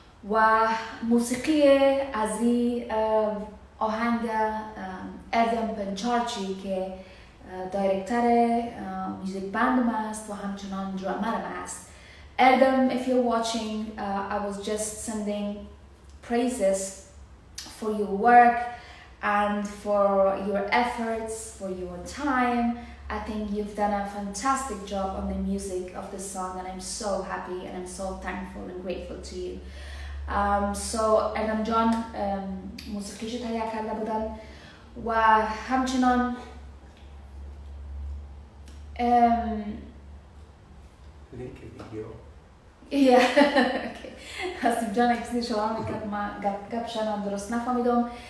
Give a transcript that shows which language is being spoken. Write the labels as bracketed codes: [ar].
[fa] و موسیقی از این آهنگ اردم پنچارچی که دایرکتر میوزیک بند ما است و همچنان درامر ما است. [en] اردم، if you're watching, I was just sending praises for your work and for your efforts, for your time. I think you've done a fantastic job on the music of the song and I'm so happy and I'm so thankful and grateful to you. [fa] So Adam John موسیقی شو تهیه کرده بودن و همچنان لینک ویدیو Yeah, حسیب جان اکسی شما میکرد ما گپشن هم درست نفهمیدم.